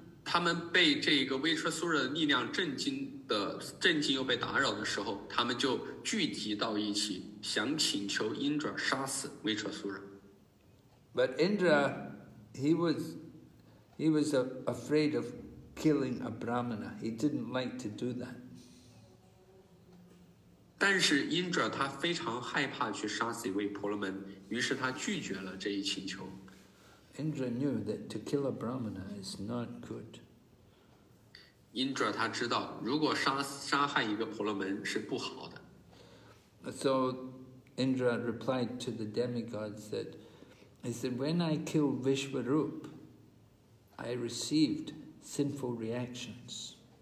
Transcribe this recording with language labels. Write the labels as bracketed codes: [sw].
[zh] 他们被这个威车苏热的力量震惊的震惊又被打扰的时候，他们就聚集到一起，想请求 Indra 杀死威车苏热。 [en] But Indra, he was afraid of killing a brahmana. He didn't like to do that. [zh] 但是 Indra 他非常害怕去杀死一位婆罗门，于是他拒绝了这一请求。 [en] Indra knew that to kill a brahmana is not good. [zh] Indra 他知道，如果杀害一个婆罗门是不好的。 [en] So Indra replied to the demigods that, he said, when I killed Vishwarup, I received sinful reactions.